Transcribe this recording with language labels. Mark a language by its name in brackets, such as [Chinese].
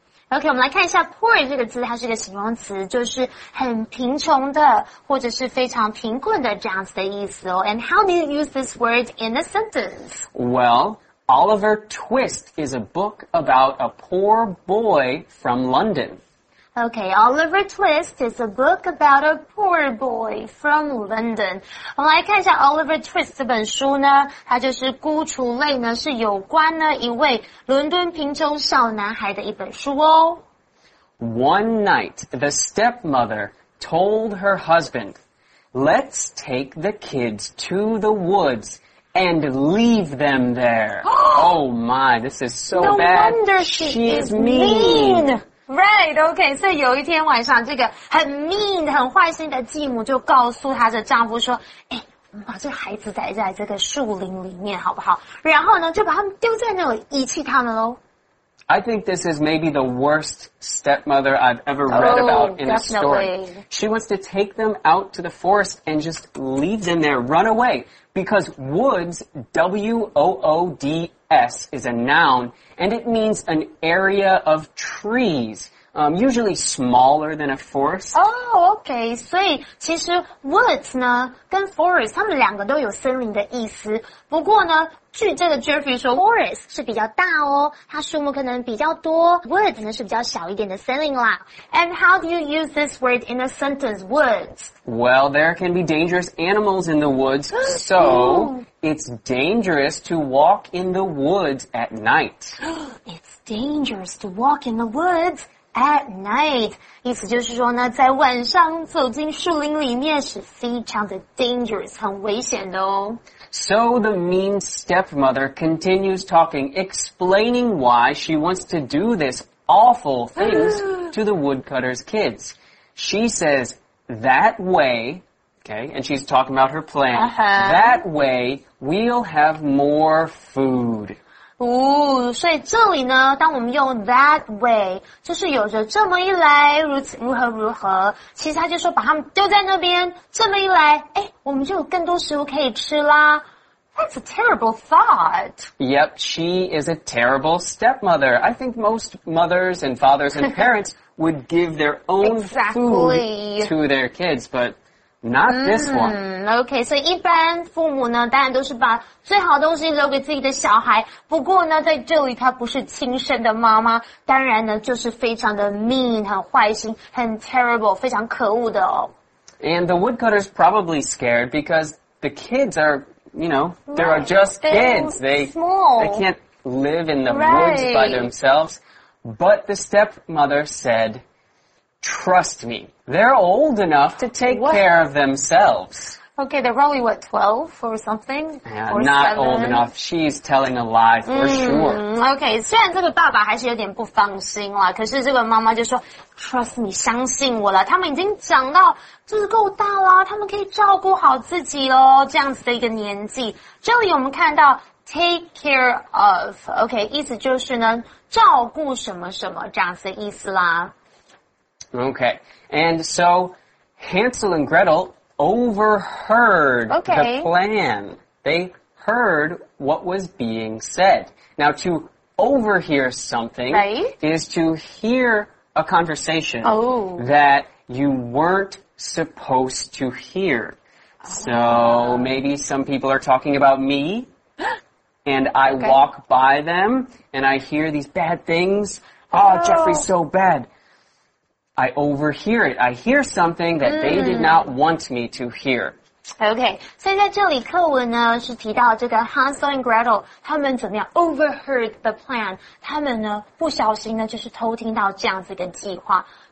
[Chinese] Okay, 我们来看一下 poor 这个字，它是一个形容词，就是很贫穷的，或者是非常贫困的这样子的意思哦。 [English] And how do you use this word in a sentence? Well, Oliver Twist is a book about a poor boy from London. Okay, Oliver Twist is a book about a poor boy from London. [Chinese] 我们来看一下 Oliver Twist 这本书呢，它就是孤雏类呢，是有关呢一位伦敦贫穷小男孩的一本书哦。 [English] One night, the stepmother told her husband, "Let's take the kids to the woods and leave them there." Oh my, this is so no bad. No wonder she is mean. [Chinese] Right, okay, 所以有一天晚上这个很 mean, 很坏心的继母就告诉她的丈夫说欸我们把这孩子带在这个树林里面好不好然后呢就把他们丢在那里遗弃他们咯。 [English] I think this is maybe the worst stepmother I've ever read about in a story. She wants to take them out to the forest and just leave them there, run away, because woods, W-O-O-D-S, is a noun, and it means an area of trees. Usually smaller than a forest. Oh, okay. [Chinese] 所以其实 woods 呢跟 forest 他们两个都有森林的意思。不过呢据这个 Jeffrey 说 forest 是比较大哦它树木可能比较多 woods 呢是比较小一点的森林啦。 [English] And how do you use this word in a sentence, woods? Well, there can be dangerous animals in the woods, so it's dangerous to walk in the woods at night. It's dangerous to walk in the woods. At night, [Chinese] 意思就是说呢在晚上走进树林里面是非常的 dangerous, 很危险的哦。 [English] So the mean stepmother continues talking, explaining why she wants to do this awful things to the woodcutter's kids. She says, that way, okay, and she's talking about her plan, that way we'll have more food. [Chinese] 所以这里呢当我们用 that way 就是有着这么一来如此如何如何其实他就说把他们丢在那边这么一来诶我们就有更多食物可以吃啦 [English] That's a terrible thought Yep, she is a terrible stepmother I think most mothers and fathers and parents would give their own food to their kids butNot this one. [Chinese] Okay, 所以一般父母呢当然都是把最好东西留给自己的小孩不过呢在这里她不是亲生的妈妈当然呢就是非常的 mean, 很坏心很 terrible, 非常可恶的哦。 [English] And the woodcutter's probably scared because the kids are, you know, there are just kids. They can't live in the woods by themselves. But the stepmother said,Trust me, they're old enough to take care of themselves. Okay, they're probably, what, 12 or something? Yeah, not old enough. She's telling a lie for sure. [Chinese] Okay, 虽然这个爸爸还是有点不放心啦，可是这个妈妈就说 [English] Trust me, [Chinese] 相信我啦，他们已经长到就是够大啦，他们可以照顾好自己咯，这样子的一个年纪。这里我们看到 take care of, okay, 意思就是呢，照顾什么什么，这样子的意思啦。 [English] Okay, and so Hansel and Gretel overheard the plan. They heard what was being said. Now, to overhear something is to hear a conversation that you weren't supposed to hear. So maybe some people are talking about me, and I walk by them, and I hear these bad things. Oh, Jeffrey's so bad. I overhear it. I hear something that they did not want me to hear. [Chinese] Okay, 所以在这里课文呢是提到这个 Hansel and Gretel 他们怎么样 [English] overheard the plan， [Chinese] 他们呢不小心呢就是偷听到这样子的计划。